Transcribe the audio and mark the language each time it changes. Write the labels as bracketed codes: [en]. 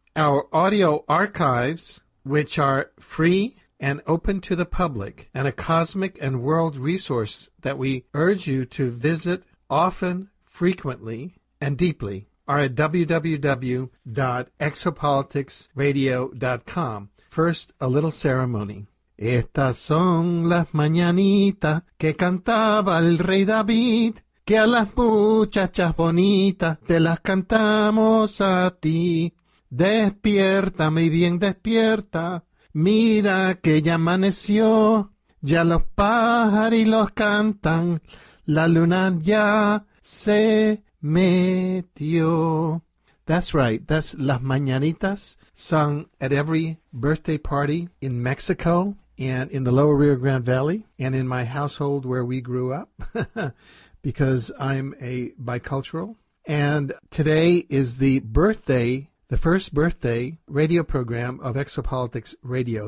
[en] Our audio archives, which are free and open to the public, and a cosmic and world resource that we urge you to visit often, frequently, and deeply, are at www.exopoliticsradio.com. First, a little ceremony. [es] Estas son las mañanitas que cantaba el rey David, que a las muchachas bonitas te las cantamos a ti. Despierta, mi bien despierta, mira que ya amaneció, ya los pájaros cantan, la luna ya se metió. [en] That's right, that's Las Mañanitas, sung at every birthday party in Mexico and in the lower Rio Grande Valley and in my household where we grew up, because I'm a bicultural. And today is the birthday, the first birthday radio program of Exopolitics Radio.